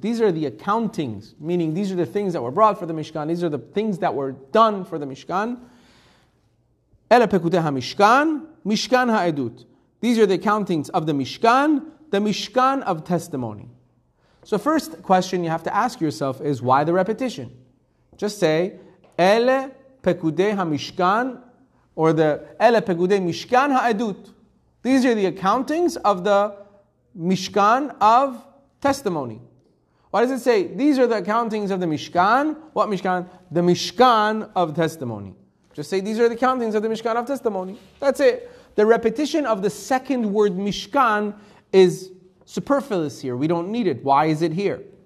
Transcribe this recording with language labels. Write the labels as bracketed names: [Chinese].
[English] These are the accountings, meaning these are the things that were brought for the Mishkan, these are the things that were done for the Mishkan. [Hebrew] Ele Pekudei HaMishkan, Mishkan HaEdut. [English] These are the accountings of the Mishkan of testimony. So first question you have to ask yourself is, why the repetition? Just say, [Hebrew] Ele Pekudei HaMishkan, [English] or the [Hebrew] Ele Pekudei Mishkan HaEdut. [English] These are the accountings of the Mishkan of testimony. Why does it say these are the accountings of the Mishkan? What Mishkan? The Mishkan of testimony. Just say these are the accountings of the Mishkan of testimony. That's it. The repetition of the second word Mishkan is superfluous here. We don't need it. Why is it here?